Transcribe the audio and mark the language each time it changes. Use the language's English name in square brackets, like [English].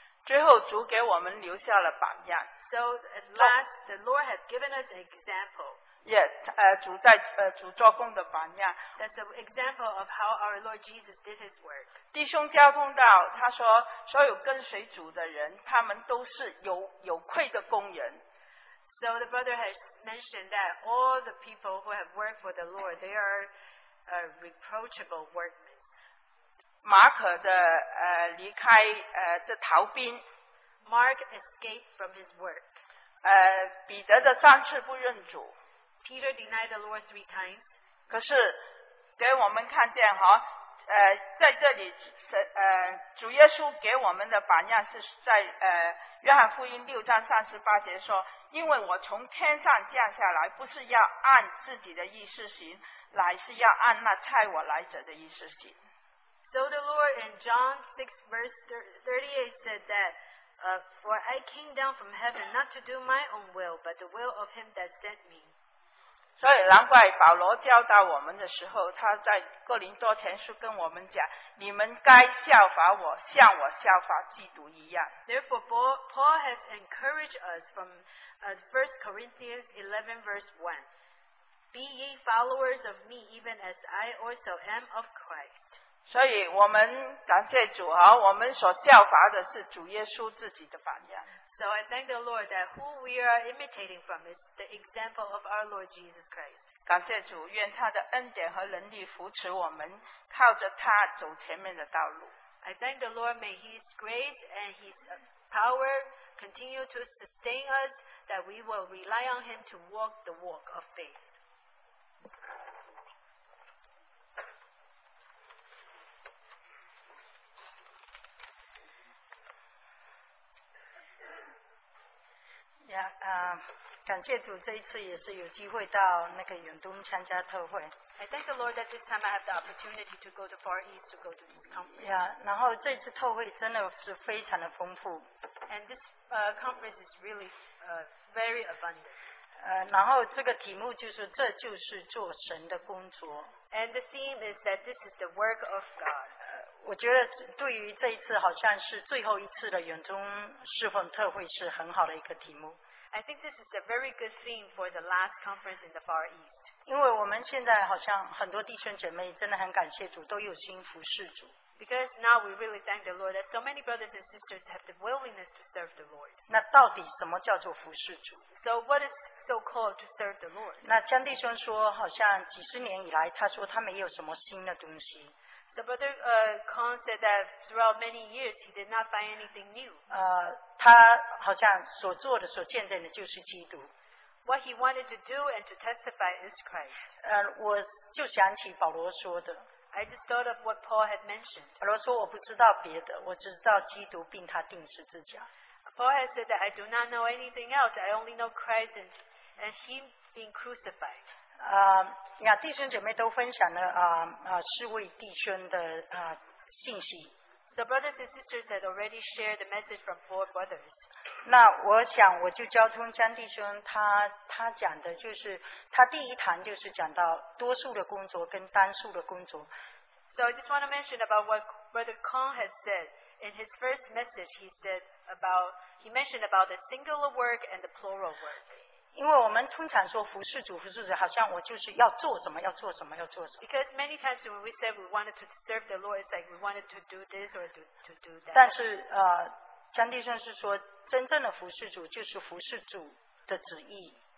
[Chinese] 最后主给我们留下了榜样。 [English] So at last, the Lord has given us an example. Yeah, [Chinese] 主在主做工的榜样。 [English] That's an example of how our Lord Jesus did his work. [Chinese] 弟兄交通道，他说，所有跟随主的人，他们都是有愧的工人。 [English] So the brother has mentioned that all the people who have worked for the Lord, they are reproachable workmen. [Chinese] 马可的离开的逃兵。 [English] Mark escaped from his work. [Chinese] 彼得的三次不认主。 [English] Peter denied the Lord three times. [Chinese] 可是给我们看见在这里主耶稣给我们的榜样是在约翰福音六章三十八节说，因为我从天上降下来，不是要按自己的意思行，乃是要按那差我来者的意思行。 [English] So the Lord in John 6 verse 38 said that for I came down from heaven not to do my own will but the will of him that sent me. [Chinese] 所以难怪保罗教导我们的时候，他在哥林多前书跟我们讲，你们该效法我，像我效法基督一样。 [English] Therefore Paul has encouraged us from 1 Corinthians 11 verse 1, be ye followers of me even as I also am of Christ. [Chinese] 所以我们感谢主，我们所效法的是主耶稣自己的榜样。 [English] So I thank the Lord that who we are imitating from is the example of our Lord Jesus Christ. [Chinese] 感谢主，愿他的恩典和能力扶持我们，靠着他走前面的道路。 [English] I thank the Lord, may his grace and his power continue to sustain us, that we will rely on him to walk the walk of faith. Yeah, [Chinese] 感谢主，这一次也是有机会到那个远东参加特会。 [English] I thank the Lord that this time I have the opportunity to go to Far East to go to this conference. Yeah, [Chinese] 然后这次特会真的是非常的丰富。 [English] And this conference is really very abundant. [Chinese] 然后这个题目就是这就是做神的工作。 [English] And the theme is that this is the work of God. [Chinese] 我觉得对于这一次好像是最后一次的远东侍奉特会是很好的一个题目。 [English] I think this is a very good theme for the last conference in the Far East. [Chinese] 因为我们现在好像很多弟兄姐妹真的很感谢主，都有心服侍主。 [English] Because now we really thank the Lord that so many brothers and sisters have the willingness to serve the Lord. [Chinese] 那到底什么叫做服侍主？ [English] So what is so called to serve the Lord? [Chinese] 那江弟兄说，好像几十年以来，他说他没有什么新的东西。 [English] So Brother Kong said that throughout many years he did not find anything new. [Chinese] 他好像所做的所见证的就是基督。 [English] What he wanted to do and to testify is Christ. [Chinese] 我就想起保罗说的。 [English] I just thought of what Paul had mentioned. [Chinese] 保罗说我不知道别的，我只知道基督并他钉十字架。 [English] Paul had said that I do not know anything else. I only know Christ and him being crucified. [Chinese] 弟兄姐妹都分享了四位弟兄的信息。 [English] So brothers and sisters had already shared the message from four brothers. [Chinese] 那我想我就交通江弟兄他讲的就是他第一堂就是讲到多数的工作跟单数的工作。 [English] So I just want to mention about what Brother Kong has said. In his first message, he mentioned about the singular work and the plural work. [Chinese] 因为我们通常说服侍主，服侍主，好像我就是要做什么，要做什么，要做什么。 [English] Because many times when we said we wanted to serve the Lord, it's like we wanted to do this or to do that. [Chinese] 但是江弟兄是说，真正的服侍主就是服侍主的旨意。